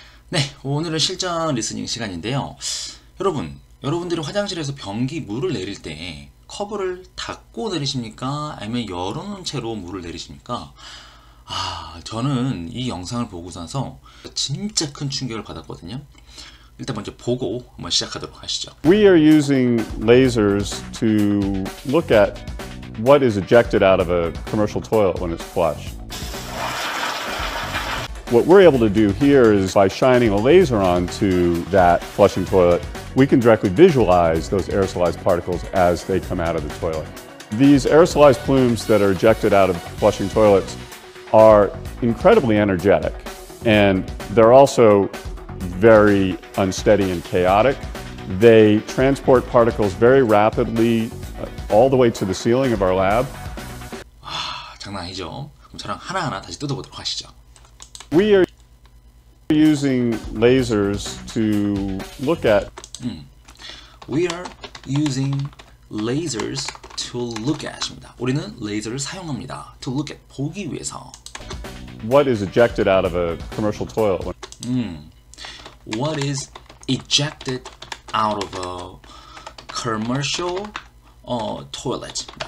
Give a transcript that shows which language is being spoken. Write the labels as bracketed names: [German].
[Korean] 네, 오늘은 실전 리스닝 시간인데요. 여러분, 여러분들이 화장실에서 변기 물을 내릴 때 커버를 닫고 내리십니까? 아니면 열어놓은 채로 물을 내리십니까? 아, 저는 이 영상을 보고서 진짜 큰 충격을 받았거든요. 일단 먼저 보고 한번 시작하도록 하시죠. [English] We are using lasers to look at what is ejected out of a commercial toilet when it's flush. What we're able to do here is by shining a laser onto that flushing toilet, we can directly visualize those aerosolized particles as they come out of the toilet. These aerosolized plumes that are ejected out of flushing toilets are incredibly energetic, and they're also very unsteady and chaotic. They transport particles very rapidly all the way to the ceiling of our lab. [Korean] 아, 장난 아니죠? 그럼 저랑 하나하나 다시 뜯어보도록 하시죠. [English] We are using lasers to look at. We are using lasers to look at입니다. [Korean] 우리는 레이저를 사용합니다. [English] To look at, [Korean] 보기 위해서. [English] What is ejected out of a commercial toilet? What is ejected out of a commercial toilet?